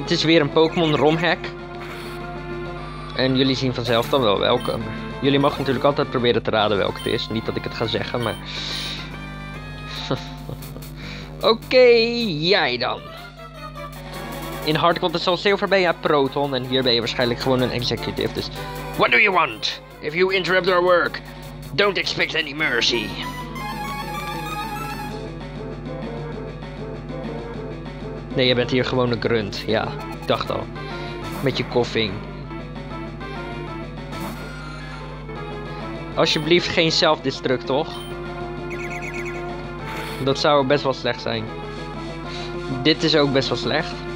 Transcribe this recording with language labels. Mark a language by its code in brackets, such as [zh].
[nl] Het is weer een Pokémon ROM-hack. En jullie zien vanzelf dan wel welke. Jullie mogen natuurlijk altijd proberen te raden welke het is. Niet dat ik het ga zeggen, maar... Oké, jij dan. In Hard Contest of Silver ben je Proton en hier ben je waarschijnlijk gewoon een executive, dus... [en] What do you want? If you interrupt our work, don't expect any mercy. [nl] Nee, je bent hier gewoon een grunt, ja. Ik dacht al. Met je koffing. Alsjeblieft geen zelfdestruct, toch? Dat zou best wel slecht zijn. Dit is ook best wel slecht.